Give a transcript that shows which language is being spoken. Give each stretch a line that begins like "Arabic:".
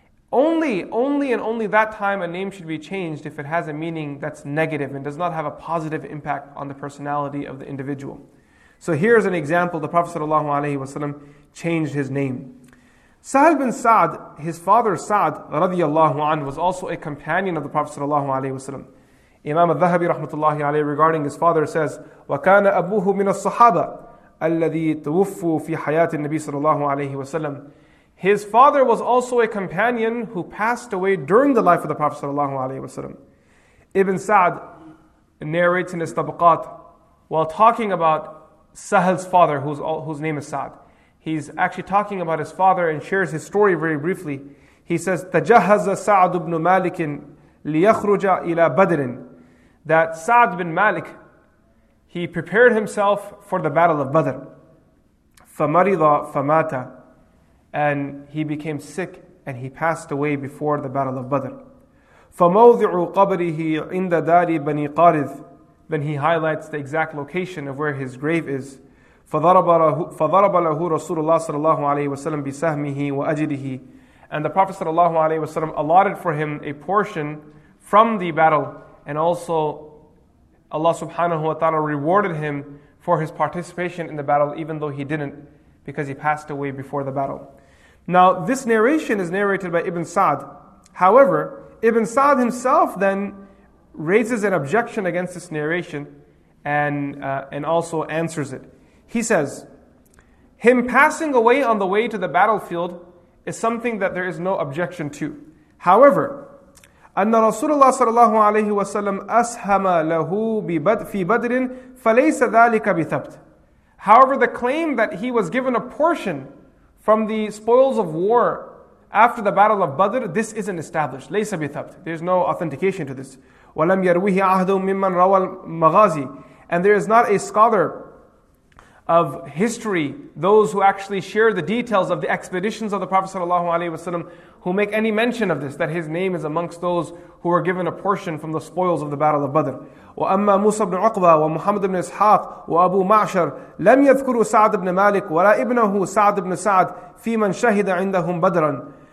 English: Only that time a name should be changed if it has a meaning that's negative and does not have a positive impact on the personality of the individual. So here's an example. The Prophet ﷺ changed his name. Sahal bin Sa'd, his father Sa'd radiallahu anhu, was also a companion of the Prophet ﷺ. Imam al-Dhahabi rahmatullahi alayhi regarding his father says,
Arabic: وَكَانَ أَبُوهُ مِنَ الصَّحَابَةِ الَّذِي تُوُفُّوا فِي حَيَاتِ النَّبِي صلى الله عليه وسلم.
English: His father was also a companion who passed away during the life of the Prophet ﷺ. Ibn Sa'd narrates in his Tabaqat, while talking about Sahal's father, whose name is Sa'd. He's actually talking about his father and shares his story very briefly. He says,
Arabic: تَجَهَّزَ سَعْدُ بْنُ مَالِكٍ لِيَخْرُجَ إِلَى بَدْرٍ.
English: That Sa'd bin Malik, he prepared himself for the battle of Badr.
Arabic: فَمَرِضَ فَمَاتَ.
English: And he became sick and he passed away before the battle of Badr.
Arabic: فَمَوْضِعُ قَبْرِهِ عِنْدَ دَارِ بَنِي قَارِذٍ.
English: Then he highlights the exact location of where his grave is.
Arabic: فَضَرَبَ لَهُ رَسُولُ اللَّهِ صَلَى اللَّهُ عَلَيْهِ وَسَلَمْ بِسَهْمِهِ وَأَجِدِهِ.
English: And the Prophet صلى الله عليه وسلم allotted for him a portion from the battle, and also Allah subhanahu wa ta'ala rewarded him for his participation in the battle, even though he didn't, because he passed away before the battle. Now, this narration is narrated by Ibn Sa'd. However, Ibn Sa'd himself then raises an objection against this narration and also answers it. He says, him passing away on the way to the battlefield is something that there is no objection to. However,
Arabic: أن رسول الله صلى الله عليه وسلم أسهم له في بدر فليس ذلك بثبت.
English: However, the claim that he was given a portion from the spoils of war after the battle of Badr, this isn't established.
Arabic: ليس بثبت.
English: There's no authentication to this.
Arabic: ولم يرويه أحد ممن روى المغازي.
English: And there is not a scholar of history, those who actually share the details of the expeditions of the Prophet sallallahu alaihi wasallam, who make any mention of this, that his name is amongst those who are given a portion from the spoils of the battle of Badr.
Arabic: وَأَمَّا مُوسَى بْنُ عُقْبَى وَمُحَمَّدُ بْنُ إِسْحَاقُ وَأَبُو مَعْشَرَ لَمْ يَذْكُرُوا سَعْدَ بْنَ مَالِكَ وَلَا ابْنَهُ سَعْدَ بْنَ سَعْدٍ فِي مَنْ شَهِدَ عِنْدَهُمْ بَدْرًا.